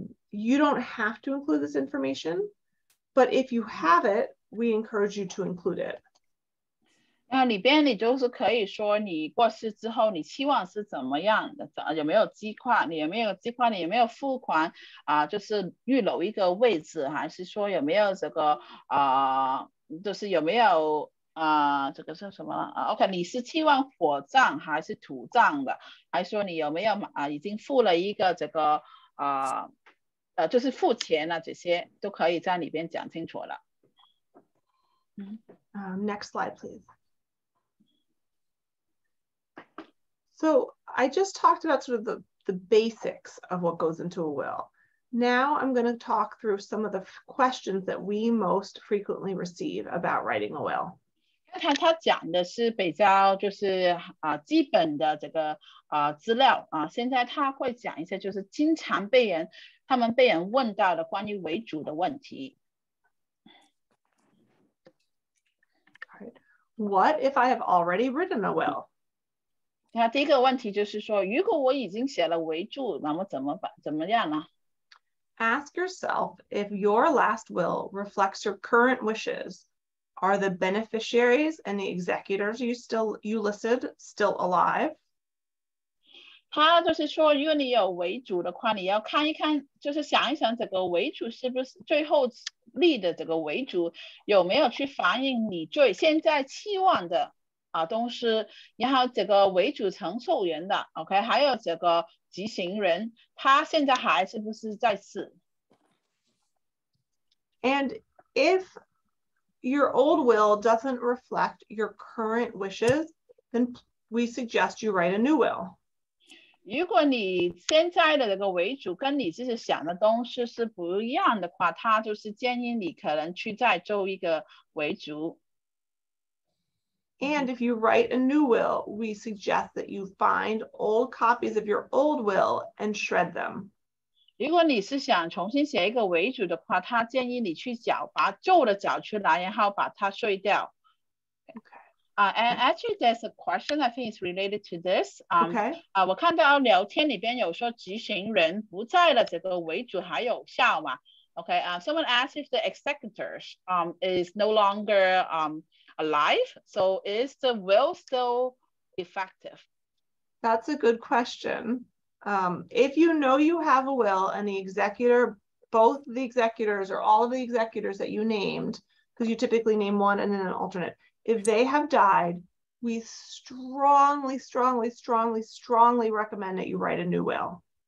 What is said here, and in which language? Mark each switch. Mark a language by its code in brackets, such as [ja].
[en] You don't have to include this information, but if you have it, we encourage you to include it. [zh] 那里边你就是可以说你过世之后你期望是怎么样的，有没有计划，你有没有计划，你有没有付款就是预留一个位置，还是说有没有这个就是有没有这个是什么OK， 你是期望火葬还是土葬的，还是说你有没有已经付了一个这个就是付钱了，这些都可以在里边讲清楚了。 [en] Next slide, please. So I just talked about sort of the basics of what goes into a will. Now I'm going to talk through some of the questions that we most frequently receive about writing a will. [zh] 他讲的是比较就是基本的这个资料现在他会讲一些就是经常被人他们被人问到的关于遗嘱的问题。 [en] What if I have already written a will? [zh] 那第一个问题就是说，如果我已经写了遗嘱，那么怎么样呢 [en] ？Ask yourself if your last will reflects your current wishes. Are the beneficiaries and the executors you listed still alive? [zh] 他就是说，如果你有遗嘱的话，你要看一看，就是想一想这个遗嘱是不是最后立的这个遗嘱有没有去反映你最现在期望的。东西，然后这个遗嘱承受人的 ，OK， 还有这个执行人，他现在还是不是在世 [en] ？And if your old will doesn't reflect your current wishes, then we suggest you write a new will. [zh] 如果你现在的这个遗嘱跟你自己想的东西是不一样的话，他就是建议你可能去再做一个遗嘱。 [en] And if you write a new will, we suggest that you find old copies of your old will and shred them. [zh] 如果你是想重新写一个遗嘱的话，他建议你去找把旧的找出来，然后把它碎掉。 [en] Okay. And actually, there's a question I think is related to this. Okay. [zh] 我看到聊天里边有说执行人不在了，这个遗嘱还有效吗 ？Okay. [en] Someone asked if the executors is no longer alive, so is the will still effective? That's a good question. If you know you have a will and the executor, both the executors or all of the executors that you named, because you typically name one and then an alternate, if they have died, we strongly, strongly, strongly, strongly recommend that you write a new will.